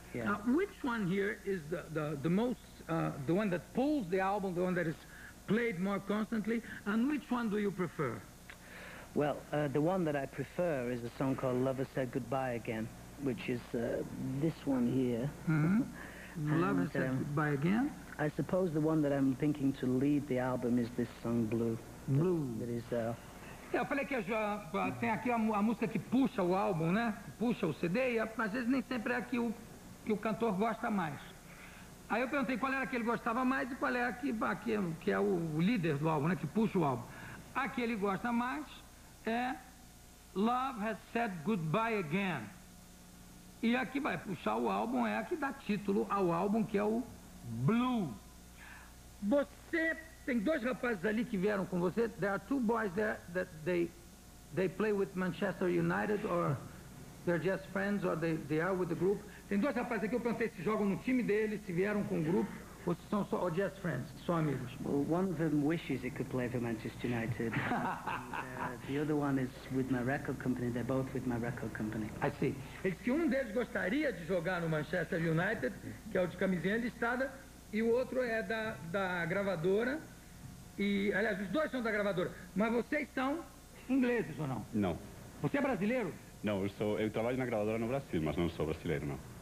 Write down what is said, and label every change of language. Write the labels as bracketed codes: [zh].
[en] Now, which one here is the most, the one that pulls the album, the one that is played more constantly, and which one do you prefer? Well, the one that I prefer is a song called Lover Said Goodbye Again, which is this one here. Mm-hmm. Lover Said Goodbye Again? I suppose the one that I'm thinking to lead the album is this song, Blue. Blue. That is... [pt] Eu falei que tem aqui a música que puxa o álbum, né? Puxa o CD, e às vezes nem sempre é a que o cantor gosta mais. Aí eu perguntei qual era a que ele gostava mais e qual é a que é o líder do álbum, né? Que puxa o álbum. A que ele gosta mais é Love Has Said Goodbye Again. E a que vai puxar o álbum é a que dá título ao álbum, que é o Blue. Você... Tem dois rapazes ali que vieram com você. [en] There are two boys there that they play with Manchester United, or they're just friends, or they are with the group. [pt] Tem dois rapazes aqui, eu perguntei se jogam no time deles, se vieram com o grupo, ou se são só, [en] or just friends, [pt] só amigos. [en] Well, one of them wishes it could play for Manchester United. The other one is with my record company. They're both with my record company. I see. [pt] Eles que um deles gostaria de jogar no Manchester United, que é o de camisinha listada, e o outro é da gravadora, e, aliás, os dois são da gravadora, mas vocês são ingleses ou não? Não. Você é brasileiro? Não, eu trabalho na gravadora no Brasil, mas não sou brasileiro, não.